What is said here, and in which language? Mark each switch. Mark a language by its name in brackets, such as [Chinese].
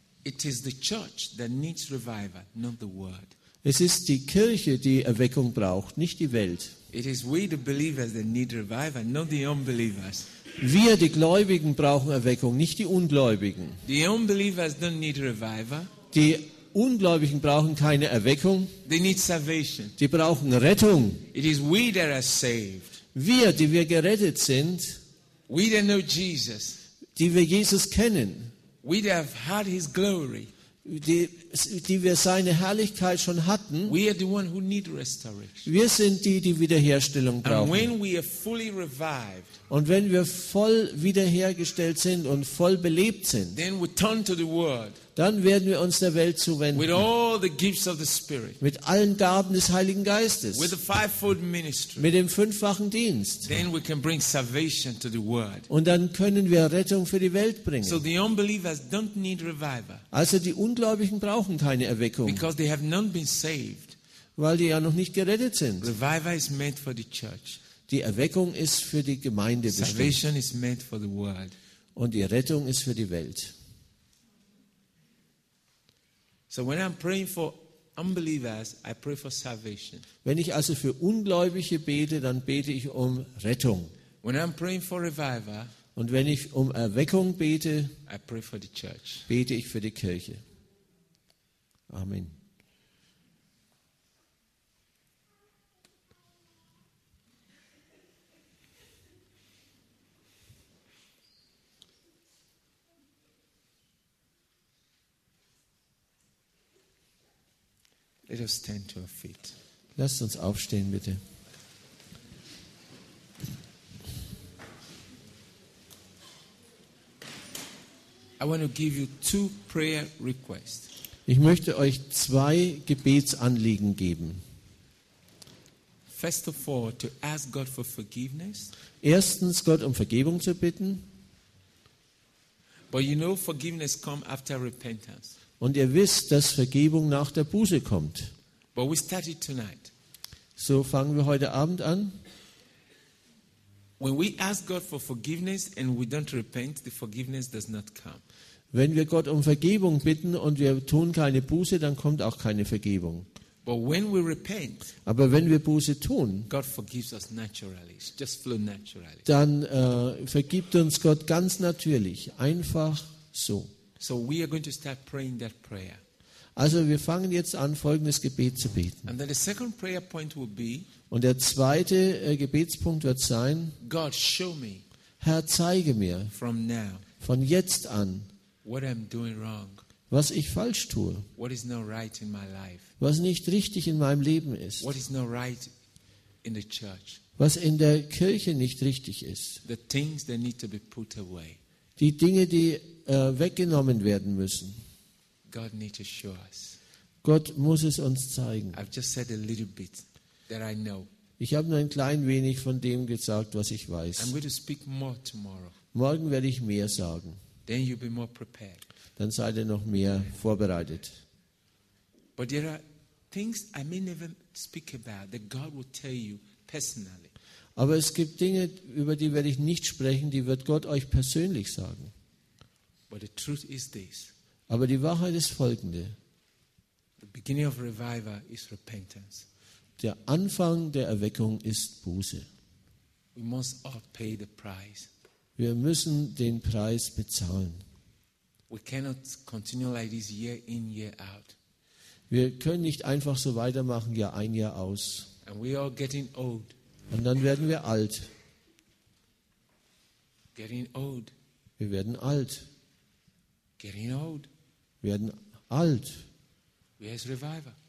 [English] It is the church that needs revival, not the word. [German] Es ist die Kirche, die Erweckung braucht, nicht die Welt. [English] It is we the believers that need revival, not the unbelievers. [German] Wir, die Gläubigen, brauchen Erweckung, nicht die Ungläubigen. [English] The unbelievers don't need revival. [German] Die Ungläubigen brauchen keine Erweckung. [English] They need salvation. [German] Die brauchen Rettung. [English] It is we that are saved. [German] Wir, die wir gerettet sind. [English] We that know Jesus. [German] Die wir Jesus kennen. [English] We that have had his glory. [German] Die wir seine Herrlichkeit schon hatten. [English] We are the one who need restoration. [German] Wir sind die, die Wiederherstellung brauchen. [English] And when we are fully revived, [German] und wenn wir voll wiederhergestellt sind und voll belebt sind, [English] then we turn to the word, [German] dann werden wir uns der Welt zuwenden. [English] With all the gifts of the Spirit, [German] mit allen Gaben des Heiligen Geistes, [English] with the fivefold ministry, [German] mit dem fünffachen Dienst. [English] Then we can bring salvation to the word. [German] Und dann können wir Rettung für die Welt bringen. [English] So the unbelievers don't need revival. [German] Also die Ungläubigen brauchen keine Erweckung. [English] Because they have not been saved. [German] Weil die ja noch nicht gerettet sind. [English] Revival is meant for the church. [German] Die Erweckung ist für die Gemeinde bestimmt. [English] Salvation is meant for the world. [German] Und die Rettung ist für die Welt. [English] So when I'm praying for unbelievers, I pray for salvation. [German] Wenn ich also für Ungläubige bete, dann bete ich um Rettung. [English] When I'm praying for revival, [German] und wenn ich um Erweckung bete, [English] I pray for the church. [German] Bete ich für die Kirche. Amen. [English] Let us stand to our feet. [German] Lasst uns aufstehen, bitte. [English] I want to give you two prayer requests. [German] Ich möchte euch zwei Gebetsanliegen geben. [English] First of all, to ask God for forgiveness. [German] Erstens, Gott um Vergebung zu bitten. [English] But you know, forgiveness comes after repentance. [German] Und ihr wisst, dass Vergebung nach der Buße kommt. [English] But we started tonight. [German] So fangen wir heute Abend an. [English] When we ask God for forgiveness and we don't repent, the forgiveness does not come. [German] Wenn wir Gott um Vergebung bitten und wir tun keine Buße, dann kommt auch keine Vergebung. [English] But when we repent, [German] aber wenn wir Buße tun, [English] God forgives us naturally. It just flow naturally. [German] Dann vergibt uns Gott ganz natürlich, einfach so. [English] So we are going to start praying that prayer. [German] Also wir fangen jetzt an, folgendes Gebet zu beten. [English] And then the second prayer point will be, [German] und der zweite Gebetspunkt wird sein, [English] God, show me, [German] Herr, zeige mir [English] from now, [German] von jetzt an, [English] what I'm doing wrong, [German] was ich falsch tue, [English] what is not right in my life, [German] was nicht richtig in meinem Leben ist, [English] what is not right in the church, [German] was in der Kirche nicht richtig ist, [English] the things that need to be put away. [German] Die Dinge, die weggenommen werden müssen. [English] God need to show us. [German] Gott muss es uns zeigen. [English] I've just said a little bit that I know. [German] Ich habe nur ein klein wenig von dem gesagt, was ich weiß. [English] I'm going to speak more tomorrow. [German] Morgen werde ich mehr sagen. [English] Then you'll be more prepared. [German] Dann seid ihr noch mehr vorbereitet. [English] But there are things I may never speak about that God will tell you personally. [German] Aber es gibt Dinge, über die werde ich nicht sprechen, die wird Gott euch persönlich sagen. [English] But the truth is this. [German] Aber die Wahrheit ist folgende. [English] The beginning of revival is repentance. [German] Der Anfang der Erweckung ist Buße. [English] We must all pay the price. [German] Wir müssen den Preis bezahlen. [English] We cannot continue like this year in, year out. [German] Wir können nicht einfach so weitermachen, Jahr ein, Jahr aus. [English] And we are getting old. [German] Und dann werden wir alt. [English] Getting old. [German] Wir werden alt. [English] Getting old. [German] Wir werden alt. [English] Where is revival?